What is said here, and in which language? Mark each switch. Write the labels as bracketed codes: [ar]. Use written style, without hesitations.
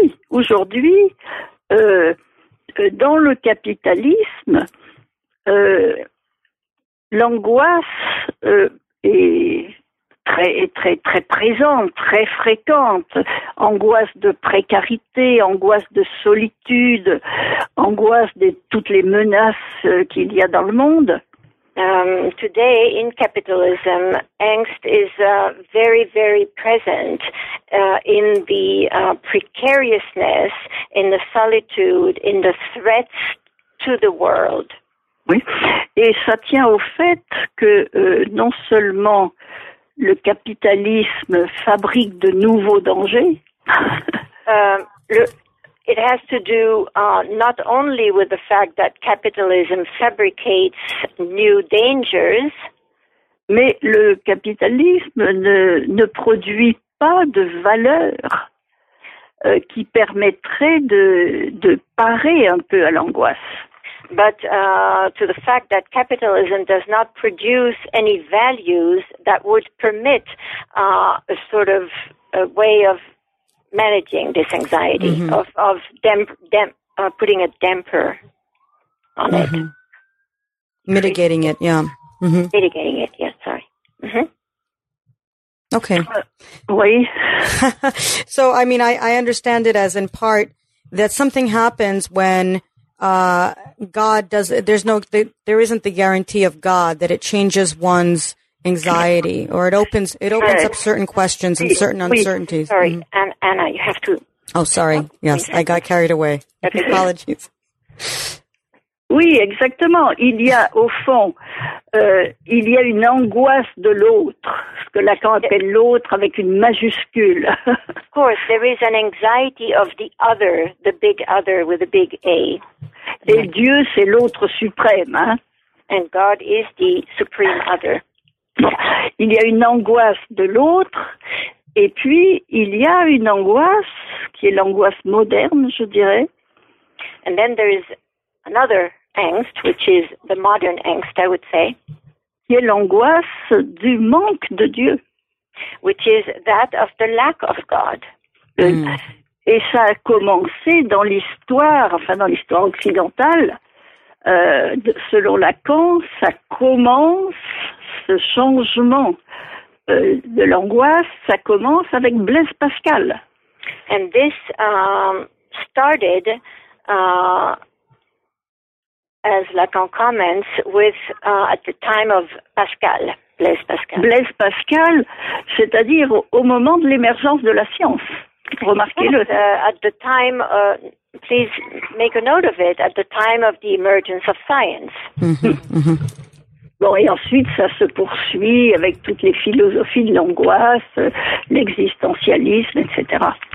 [fr] aujourd'hui, dans le capitalisme, l'angoisse est très présente, très fréquente. Angoisse de précarité, angoisse de solitude, angoisse de toutes les menaces qu'il y a dans le monde. [en] Today, in capitalism, angst is very, very present in the precariousness, in the solitude, in the threats to the world. [fr] Oui, et ça tient au fait que non seulement le capitalisme fabrique de nouveaux dangers. [en] It has to do not only with the fact that capitalism fabricates new dangers, [fr] mais le capitalisme ne produit pas de valeurs qui permettraient de parer un peu à l'angoisse. [en] But to the fact that capitalism does not produce any values that would permit a sort of a way of managing this anxiety, mm-hmm. of putting a damper on mm-hmm. it. Mitigating it, yeah. Mm-hmm. Mitigating it, yeah, sorry. Mm-hmm. Okay. Wait. So, I mean, I understand it as in part that something happens when God does. There isn't the guarantee of God that it changes one's anxiety, or it opens up certain questions and certain uncertainties. Sorry, mm-hmm. Anna, you have to. Oh, sorry. Yes, I got carried away. Okay. Apologies. [fr] Oui, exactement. Il y a au fond, il y a une angoisse de l'autre, ce que Lacan appelle l'autre avec une majuscule. [en] Of course, there is an anxiety of the other, the big other with a big A. [fr] Et Dieu, c'est l'autre suprême. Hein? [en] And God is the supreme other. [fr] Bon. Il y a une angoisse de l'autre, et puis il y a une angoisse qui est l'angoisse moderne, je dirais. [en] And then there is another angst, which is the modern angst, I would say. [fr] Qui est l'angoisse du manque de Dieu. [en] Which is that of the lack of God. Mm. [fr] Et ça a commencé dans l'histoire, enfin dans l'histoire occidentale, selon Lacan, ça commence, ce changement de l'angoisse, ça commence avec Blaise Pascal. [en] And this started, as Lacan comments, with at the time of Pascal. Blaise Pascal. [fr] Blaise Pascal, c'est-à-dire au moment de l'émergence de la science. Remarquez-le. [en] Yes, at the time, please make a note of it, at the time of the emergence of science. [fr] Bon, et ensuite, ça se poursuit avec toutes les philosophies de l'angoisse, l'existentialisme, etc.